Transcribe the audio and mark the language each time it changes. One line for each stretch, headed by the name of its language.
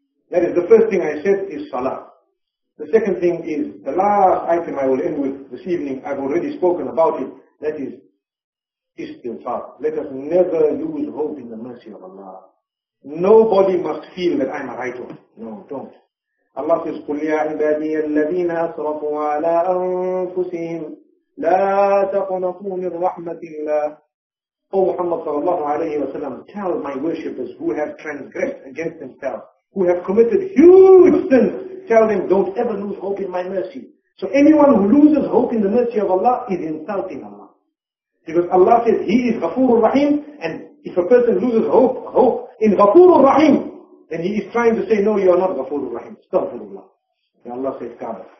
English: That is the first thing I said is salah. The second thing is, the last item I will end with this evening, I've already spoken about it, that is istighfar. Let us never lose hope in the mercy of Allah. Nobody must feel that I'm a righteous. No, don't. Allah says,
Arabic: قُلْ يَا عِبَادِيَ الَّذِينَ أَسْرَفُوا عَلَىٰ أَنفُسِهِمْ لَا تَقْنَطُوا مِنْ رَحْمَةِ اللَّهِ.
English: O Muhammad sallallahu alayhi wa sallam, tell my worshippers who have transgressed against themselves, who have committed huge sins, tell them, don't ever lose hope in my mercy. So anyone who loses hope in the mercy of Allah is insulting Allah. Because Allah says He is Ghafoor al-Rahim, and if a person loses hope in Ghafoor al-Rahim, then he is trying to say, no, you are not Ghafoor al-Rahim. Astaghfirullah. And Allah says, Kaaba.